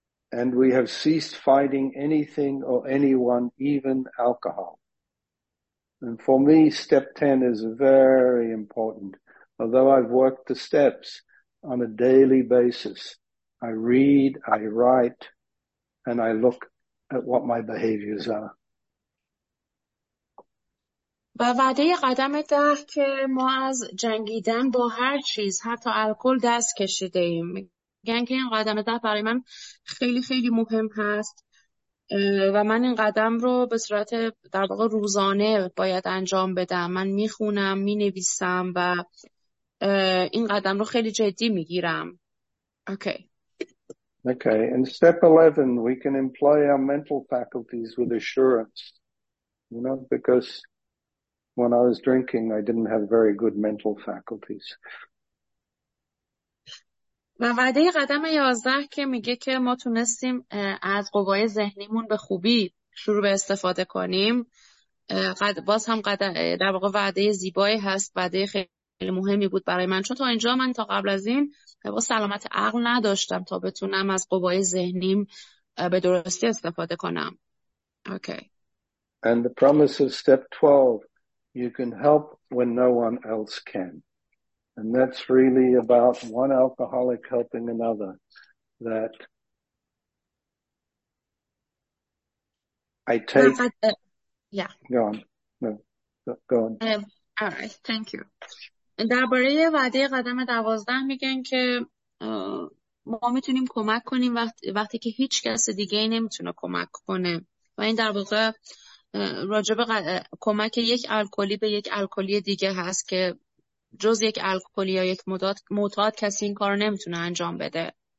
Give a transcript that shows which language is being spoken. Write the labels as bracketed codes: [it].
[en] And we have ceased fighting anything or anyone, even alcohol. And for me, step 10 is very important. Although I've worked the steps on a daily basis, I read, I write, and I look at what my behaviors are. [fa] و وعده قدم 10 که ما از جنگیدن با هر چیز، حتی الکل، دست کشیده ایم. میگن که این قدم 10 برای من خیلی خیلی مهم هست و من این قدم رو به صورت در واقع روزانه باید انجام بدم. من میخونم، مینویسم و این قدم رو خیلی جدی میگیرم. [en] Okay. Okay, in step 11, we can employ our mental faculties with assurance, you know, because when I was drinking, I didn't have very good mental faculties. [fa] و وعده قدم 11 که میگه که ما تونستیم از قوای ذهنیمون به خوبی شروع به استفاده کنیم، باز هم در واقع وعده زیبایی هست، وعده خیلی مهمی بود برای من، چون تا اینجا من تا قبل از این با سلامت عقل نداشتم تا بتونم از قوای ذهنیم به درستی استفاده کنم. [en] Okay. And the promise of step 12, you can help when no one else can. And that's really about one alcoholic helping another, that I take... Go on. All right, thank you. [fa] درباره وعده قدم 12 میگن که ما میتونیم کمک کنیم وقتی که هیچ کس دیگه نمیتونه کمک کنه. و این در واقع راجب کمک یک الکلی به یک الکلی دیگه هست که جز یک الکلی یا یک معتاد کسی این کار نمیتونه انجام بده.